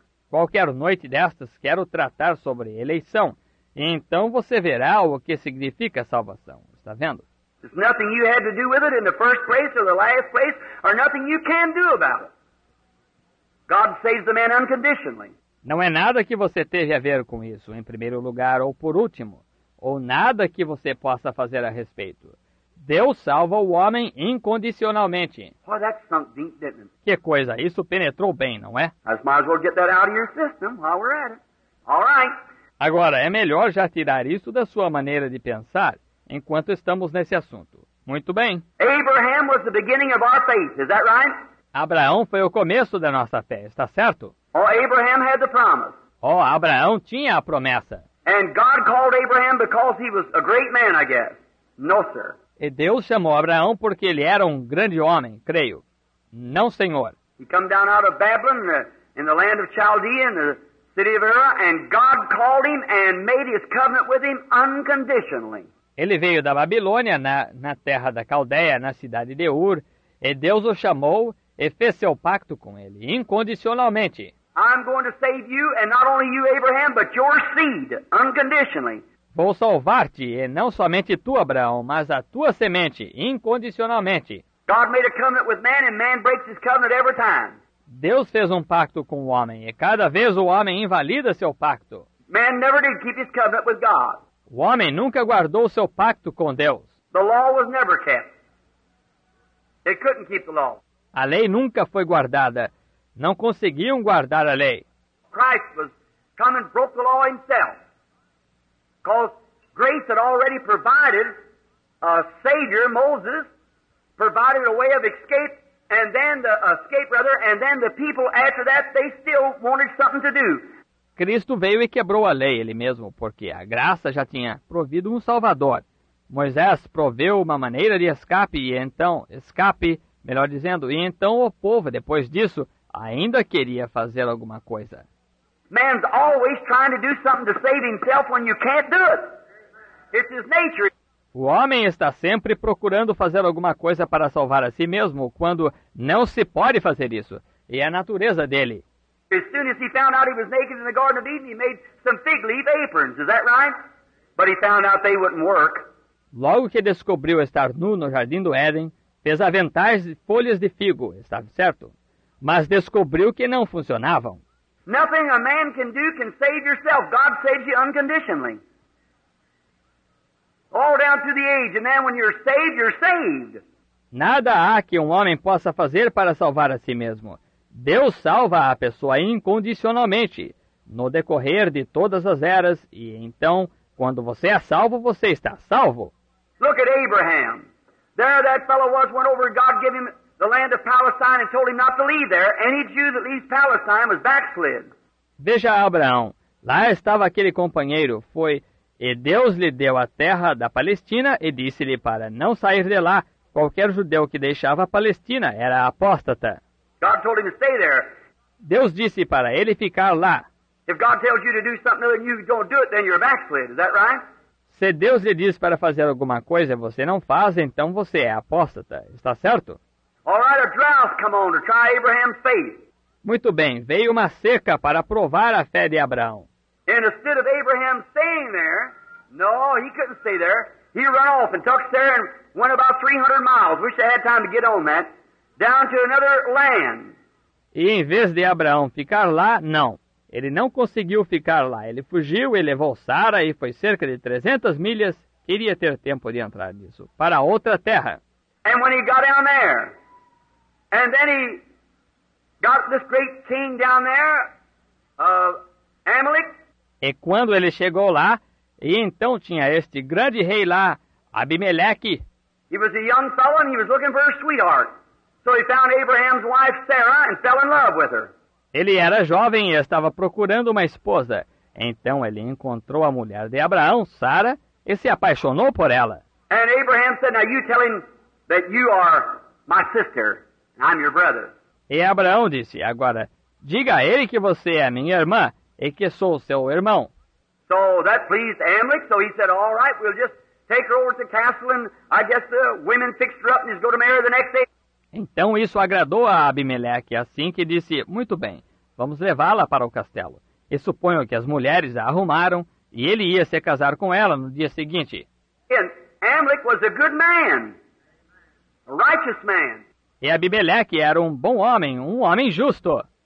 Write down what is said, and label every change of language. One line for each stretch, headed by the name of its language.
Portuguese: Qualquer noite destas, quero tratar sobre eleição. E então você verá o que significa salvação. Está vendo?
English: There's nothing you had to do with it in the first place or the last place, or nothing you can do about it. God saves the man unconditionally.
Portuguese: Não é nada que você teve a ver com isso, em primeiro lugar ou por último, ou nada que você possa fazer a respeito. Deus salva o homem incondicionalmente.
English: Well, that sunk deep, didn't it?
Portuguese: Que coisa, isso penetrou bem, não é?
English: As might as well get that out of your system while we're at it. All right.
Portuguese: Agora, é melhor já tirar isso da sua maneira de pensar enquanto estamos nesse assunto. Muito bem.
English: Abraham was the beginning of our faith, is that right?
Portuguese: Abraão foi o começo da nossa fé, está certo?
English: Oh, Abraham had the promise.
Portuguese: Oh, Abraão tinha a promessa.
English: And God called Abraham because he was a great man, I guess. No, sir.
Portuguese: E Deus chamou Abraão porque ele era um grande homem, creio. Não, senhor.
English: He came down out of Babylon, in the land of Chaldea, in the city of Ur, and God called him and made his covenant with him unconditionally.
Portuguese: Ele veio da Babilônia, na terra da Caldeia, na cidade de Ur, E Deus o chamou e fez seu pacto com ele, incondicionalmente.
English: I'm going to save you, and not only you, Abraham, but your seed, unconditionally.
Portuguese: Vou salvar-te, e não somente tu, Abraão, mas a tua semente, incondicionalmente.
English: God made a covenant with man, and man breaks his covenant every time.
Portuguese: Deus fez um pacto com o homem, e cada vez o homem invalida seu pacto.
English: Man never did keep his covenant with God.
Portuguese: O homem nunca guardou seu pacto com Deus.
English: The law was never kept. They couldn't keep the law.
Portuguese: A lei nunca foi guardada. Não conseguiam guardar a lei.
English: Christ was come and broke the law himself. Because grace had already provided a savior, Moses, provided a way of escape, and then the escape, rather, and then the people after that, they still wanted something to do.
Portuguese: Cristo veio e quebrou a lei, ele mesmo, porque a graça já tinha provido um salvador. Moisés proveu uma maneira de escape, e então, e então o povo, depois disso, ainda queria fazer alguma coisa.
English: Man's always trying to do something to save himself when you can't do it. It's his nature.
Portuguese: O homem está sempre procurando fazer alguma coisa para salvar a si mesmo quando não se pode fazer isso. E é a natureza dele.
English: As soon as he found out he was naked in the Garden of Eden, he made some fig leaf aprons. Is that right? But he found out they wouldn't work.
Portuguese: Logo que descobriu estar nu no Jardim do Éden, fez aventais de folhas de figo. Está certo? Mas descobriu que não funcionavam.
English: Nothing a man can do can save yourself. God saves you unconditionally. All down to the age, and then when you're saved, you're saved.
Portuguese: Nada há que homem possa fazer para salvar a si mesmo. Deus salva a pessoa incondicionalmente, no decorrer de todas as eras, e então, quando você é salvo, você está salvo.
English: Look at Abraham. There that fellow was, went over, God gave him the land of Palestine and told him not to leave there. Any Jew that leaves Palestine was backslid.
Portuguese: Veja Abraão. Lá estava aquele companheiro, foi, e Deus lhe deu a terra da Palestina e disse-lhe para não sair de lá. Qualquer judeu que deixava a Palestina era apóstata.
English: God told him to stay there.
Portuguese: Deus disse para ele ficar lá.
English: If God tells you to do something other than you don't do it, then you're backslid. Is that right?
Portuguese: Se Deus lhe diz para fazer alguma coisa e você não faz, então você é apóstata. Está certo?
English: All right, a drought come on to try Abraham's faith.
Portuguese: Muito bem, veio uma seca para provar a fé de Abraão.
English: And instead of Abraham staying there, no, he couldn't stay there. He ran off and took Sarah and went about 300 miles. Wish I had time to get on that. Down to another land.
Portuguese: E em vez de Abraão ficar lá, não. Ele não conseguiu ficar lá. Ele fugiu e levou Sara e foi cerca de 300 milhas. Queria ter tempo de entrar nisso. Para outra terra.
English: And when he got down there, and then he got this great king down there of Amalek.
Portuguese: E quando ele chegou lá, e então tinha este grande rei lá, Abimeleque.
English: He was a young fellow and he was looking for a sweetheart. So he found Abraham's wife Sarah and fell in love with her.
Portuguese: Ele era jovem e estava procurando uma esposa. Então ele encontrou a mulher de Abraão, Sara, e se apaixonou por ela.
English: And Abraham said, "Now you tell him that you are my sister." I'm your brother.
Portuguese: E Abraão disse, agora, diga a ele que você é minha irmã e que sou seu irmão.
English: So that pleased Amalek, so he said, all right, we'll just take her over to the castle and I guess the women fixed her up and he's going to marry her the next day.
Portuguese: Então isso agradou a Abimeleque, assim que disse, muito bem, vamos levá-la para o castelo. E suponho que as mulheres a arrumaram e ele ia se casar com ela no dia seguinte.
English: And Amalek was a good man, a righteous man.
Portuguese: E Abimeleque era um bom homem, um homem justo.